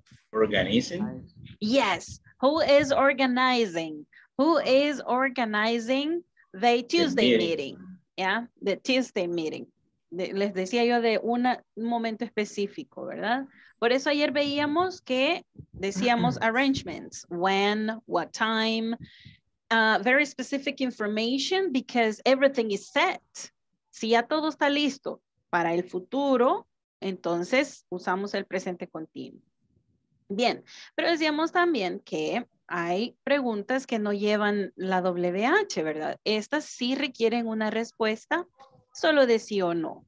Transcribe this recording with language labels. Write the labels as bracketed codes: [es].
[en] Organizing. Yes. Who is organizing? Who is organizing the Tuesday meeting? Yeah, the Tuesday meeting. [es] Les decía yo de un momento específico, ¿verdad? Por eso ayer veíamos que decíamos arrangements. [en] When, what time, very specific information because everything is set. [es] Si ya todo está listo para el futuro, entonces usamos el presente continuo. Bien, pero decíamos también que hay preguntas que no llevan la WH, ¿verdad? Estas sí requieren una respuesta solo de sí o no.